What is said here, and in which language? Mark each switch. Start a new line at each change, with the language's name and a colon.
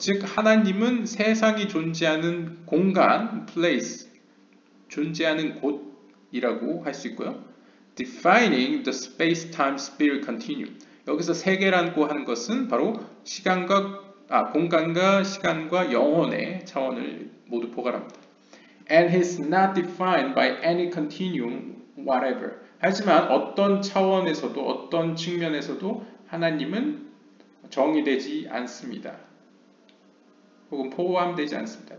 Korean: 즉 하나님은 세상이 존재하는 공간, place, 존재하는 곳이라고 할 수 있고요.
English: Defining the space-time spirit continuum.
Korean: 여기서 세계라고 하는 것은 바로 시간과 공간과 시간과 영혼의 차원을 모두 포괄합니다.
English: And is not defined by any continuum whatever.
Korean: 하지만 어떤 차원에서도 어떤 측면에서도 하나님은 정의되지 않습니다. 혹은 포함되지 않습니다.